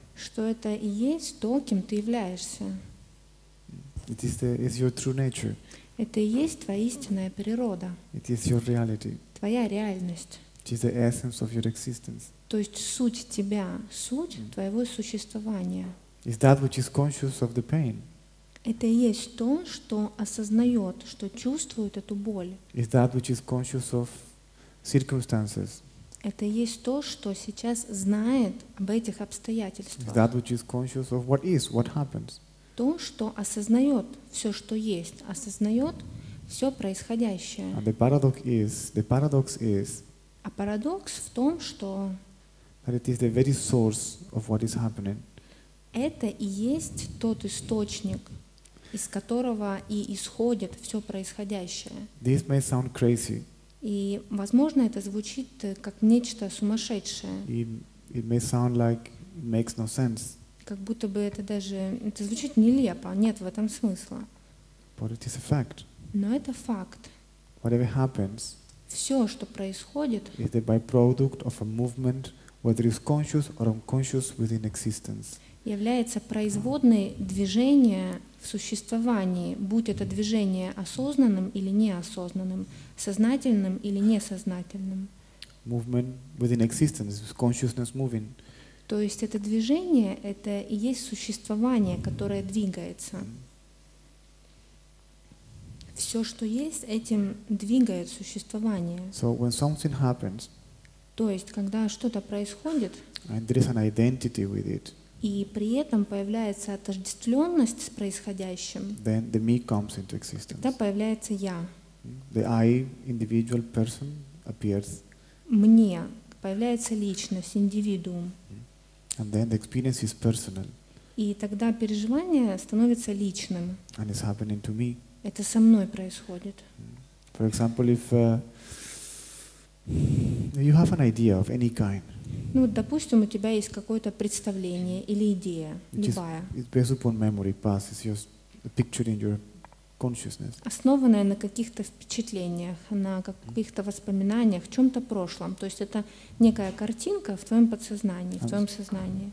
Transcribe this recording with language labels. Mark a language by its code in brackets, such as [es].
[ru] Что это и есть то, кем ты являешься. [en] It is is your true nature. [ru] Это и есть твоя истинная природа. [en] It is your reality. [ru] Твоя реальность. [en] It is the essence of your existence. [ru] То есть суть тебя, суть твоего существования. [en] Is that which is conscious of the pain? [ru] Это и есть то, что осознает, что чувствует эту боль. [en] Is that which is conscious of circumstances? [ru] Это и есть то, что сейчас знает об этих обстоятельствах. [en] Is that which is conscious of what is, what happens? [ru] То, что осознает все, что есть, осознает все происходящее. [en] And the paradox is, [ru] А парадокс в том, что [en] that it is the very source of what is happening. [ru] Это и есть тот источник, из которого и исходит все происходящее. [en] This may sound crazy. [ru] И, возможно, это звучит как нечто сумасшедшее. [en] It may sound like it makes no sense. [ru] Как будто бы это даже это звучит нелепо. Нет в этом смысла. [en] But it is a fact. [ru] Но это факт. [en] Whatever happens. [ru] Все, что происходит, [en] is the byproduct of a movement, whether it's conscious or unconscious, within existence. [ru] Является производной движения в существовании, будь это движение осознанным или неосознанным, сознательным или несознательным. [en] Movement within existence is consciousness moving. [ru] То есть это движение, это и есть существование, которое двигается. Все, что есть, этим двигает существование. [en] So when something happens, [ru] то есть, когда что-то происходит, [en] and there is an identity with it, [ru] и при этом появляется отождествленность с происходящим, [en] then the me comes into existence. [ru] Тогда появляется я. [en] The I, individual person, appears. [ru] Мне появляется личность, индивидуум. [en] And then the experience is personal. [ru] И тогда переживание становится личным. [en] And it's happening to me. [ru] Это со мной происходит. [en] For example, if you have an idea of any kind. [ru] Ну, допустим, у тебя есть какое-то представление или идея, любая. [en] It's based upon memory, past. It's just a picture in your consciousness. [ru] Основанная на каких-то впечатлениях, на каких-то воспоминаниях, в чем-то прошлом. То есть это некая картинка в твоем подсознании, в твоем сознании.